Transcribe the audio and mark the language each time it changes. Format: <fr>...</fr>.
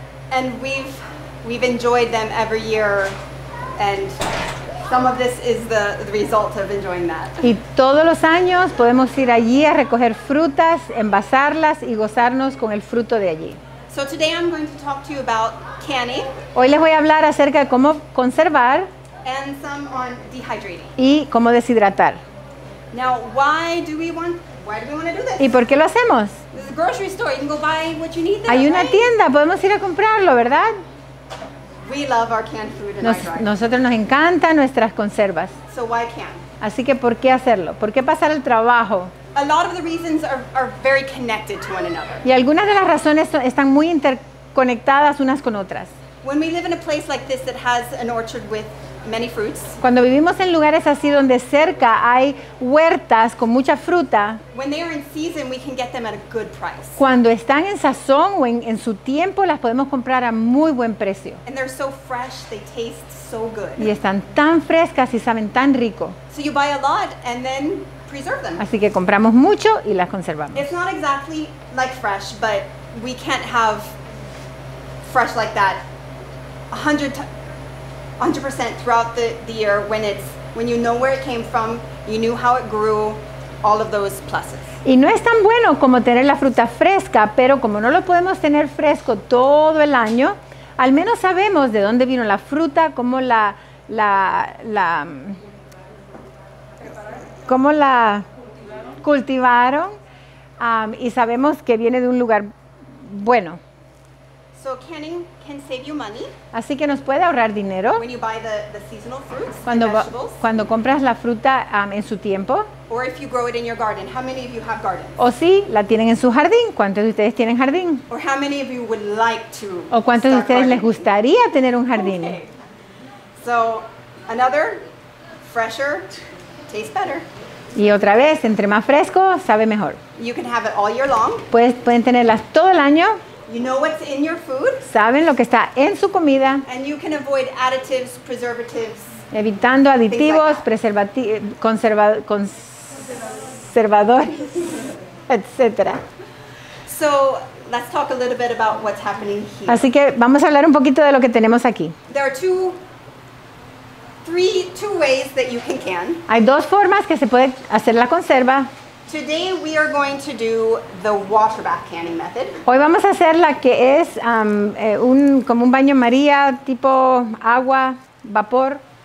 <en>And we've enjoyed them every year, and some of this is the result of enjoying that.</en> <es>Y todos los años podemos ir allí a recoger frutas, envasarlas y gozarnos con el fruto de allí.</es> <en>So today I'm going to talk to you about canning.</en> <es>Hoy les voy a hablar acerca de cómo conservar.</es> <en>And some on dehydrating.</en> <es>Y cómo deshidratar.</es> <en>Now, why do we want to do this?</en> <es>¿Y por qué lo hacemos?</es> <en>There's a grocery store. You can go buy what you need there.</en> <es>Hay una tienda. Podemos ir a comprarlo, ¿verdad?</es> <en>We love our canned food and our dry.</en> <es>Nosotros nos encantan nuestras conservas.</es> <en>So why can?</en> <es>Así que ¿por qué hacerlo? ¿Por qué pasar el trabajo?</es> <en>A lot of the reasons are very connected to one another.</en> <es>Y algunas de las razones están muy interconectadas unas con otras.</es> <en>When we live in a place like this that has an orchard with many fruits.</en> <es>Cuando vivimos en lugares así donde cerca hay huertas con mucha fruta.</es> <en>When they are in season, we can get them at a good price.</en> <es>Cuando están en sazón o en su tiempo, las podemos comprar a muy buen precio.</es> <en>And they're so fresh, they taste so good.</en> <es>Y están tan frescas y saben tan rico.</es> <en>So you buy a lot and then preserve them.</en> <es>Así que compramos mucho y las conservamos.</es> <en>It's not exactly like fresh, but we can't have fresh like that 100% throughout the year when you know where it came from, you knew how it grew, all of those pluses.</en> <es>Y no es tan bueno como tener la fruta fresca, pero como no lo podemos tener fresco todo el año, al menos sabemos de dónde vino la fruta, cómo la cultivaron, y sabemos que viene de un lugar bueno.</es> <en>So canning can save you money.</en> <es>Así que nos puede ahorrar dinero</es> <en>when you buy the seasonal fruits, the vegetables.</en> <es>Cuando compras la fruta en su tiempo.</es> <en>Or if you grow it in your garden. How many of you have gardens?</en> <es>O si la tienen en su jardín. ¿Cuántos de ustedes tienen jardín?</es> <en>Or how many of you would like to?</en> <es>¿O cuántos de ustedes les gustaría tener un jardín?</es> <en>Okay. So, another fresher tastes better.</en> <es>Y otra vez, entre más fresco, sabe mejor.</es> <en>You can have it all year long.</en> <es>Pueden tenerlas todo el año.</es> <en>You know what's in your food.</en> <es>Saben lo que está en su comida.</es> <en>And you can avoid additives, preservatives.</en> <es>Evitando aditivos, like conservadores, etc.</es> <en>So, let's talk a little bit about what's happening here.</en> <es>Así que vamos a hablar un poquito de lo que tenemos aquí.</es> <en>There are two ways that you can.</en> <es>Hay dos formas que se puede hacer la conserva.</es> <en>Today we are going to do the water bath canning method.</en> <es>Hoy vamos a hacer la que es como un baño María, tipo agua, vapor.</es>